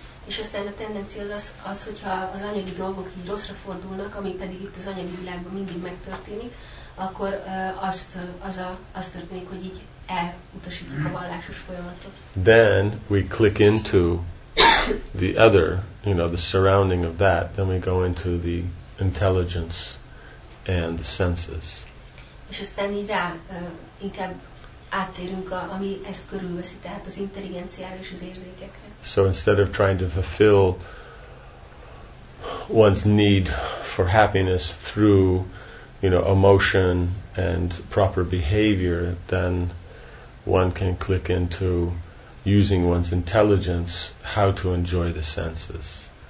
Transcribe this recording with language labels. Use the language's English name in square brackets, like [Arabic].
[Hungarian] És aztán a tendencia az, az, hogyha az anyagi dolgok így rosszra fordulnak, ami pedig itt az anyagi világban mindig megtörténik, akkor azt, az a, az történik, hogy így elutasítjuk a vallásos folyamatot. [English] Then we click into the other, you know, the surrounding of that, then we go into the intelligence and the senses. [Hungarian] És aztán így rá, inkább áttérünk, a, ami ezt körülveszi, tehát az intelligenciára és az érzékekre. [English] So instead of trying to fulfill one's need for happiness through, you know, emotion and proper behavior, then one can click into using one's intelligence how to enjoy the senses.